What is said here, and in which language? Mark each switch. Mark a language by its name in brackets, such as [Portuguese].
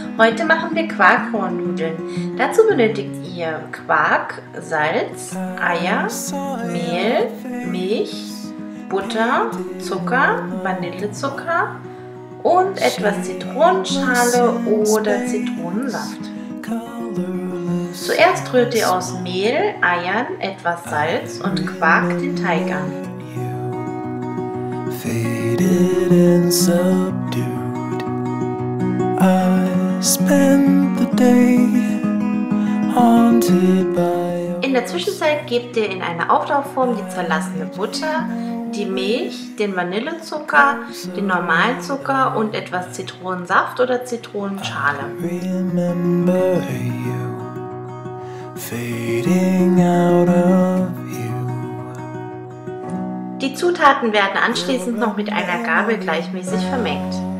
[German] Heute machen wir Quarkkornnudeln. Dazu benötigt ihr Quark, Salz, Eier, Mehl, Milch, Butter, Zucker, Vanillezucker und etwas Zitronenschale oder Zitronensaft. Zuerst rührt ihr aus Mehl, Eiern, etwas Salz und Quark den Teig an. [English] Faded and subdued, I spend the day haunted by. [German] In der Zwischenzeit gebt ihr in eine Auflaufform die zerlassene Butter, die Milch, den Vanillezucker, den Normalzucker und etwas Zitronensaft oder Zitronenschale. [English] I remember you, fading out of you. [German] Die Zutaten werden anschließend noch mit einer Gabel gleichmäßig vermengt.